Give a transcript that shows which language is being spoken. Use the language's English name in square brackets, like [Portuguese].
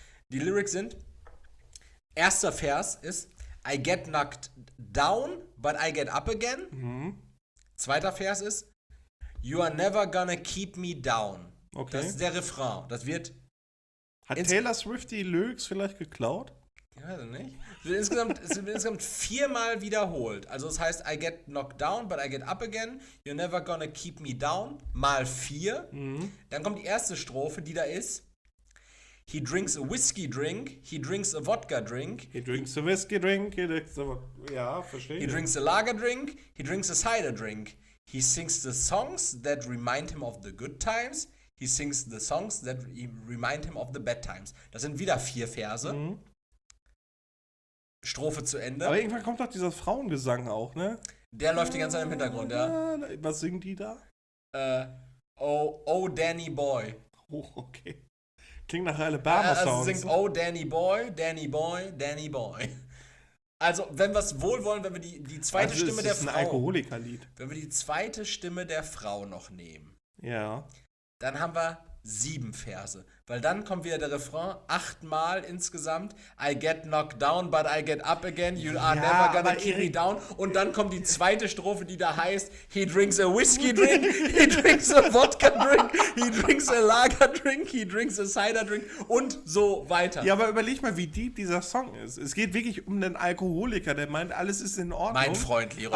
[German] Die Lyrics sind, erster Vers ist, [English] I get knocked down, but I get up again. Mhm. [German] Zweiter Vers ist, [English] you are never gonna keep me down. [German] Okay. Das ist der Refrain. Das wird. Hat Taylor Swift die Lyrics vielleicht geklaut? Ich weiß es nicht. Es wird insgesamt 4-mal wiederholt. Also es heißt, [English] I get knocked down, but I get up again. You're never gonna keep me down. [German] Mal 4. Mhm. Dann kommt die erste Strophe, die da ist. [English] He drinks a whiskey drink, he drinks a vodka drink. He drinks a whiskey drink, he drinks a vodka. [German] Ja, verstehe. [English] He drinks a lager drink, he drinks a cider drink. He sings the songs that remind him of the good times. He sings the songs that remind him of the bad times. [German] Das sind wieder 4 Verse. Mhm. Strophe zu Ende. Aber irgendwann kommt doch dieser Frauengesang auch, ne? Der läuft die ganze Zeit im Hintergrund, ja. Was singen die da? [English] Oh Danny Boy. [German] Oh, okay. Klingt nach Alabama-Songs. Also singt Oh Danny Boy, Danny Boy, Danny Boy. Also, wenn wir es wohl wollen, wenn wir die zweite also, Stimme der Frau... Das ist ein Alkoholiker-Lied. Wenn wir die zweite Stimme der Frau noch nehmen. Ja. Dann haben wir 7 Verse. Weil dann kommt wieder der Refrain, 8-mal insgesamt. [English] I get knocked down, but I get up again. You are never gonna keep me down. [German] Und dann kommt die zweite Strophe, die da heißt, [English] he drinks a whiskey drink, he drinks a vodka drink, he drinks a lager drink, he drinks a cider drink [German] und so weiter. Ja, aber überleg mal, wie deep dieser Song ist. Es geht wirklich um einen Alkoholiker, der meint, alles ist in Ordnung. Mein Freund, Leroy.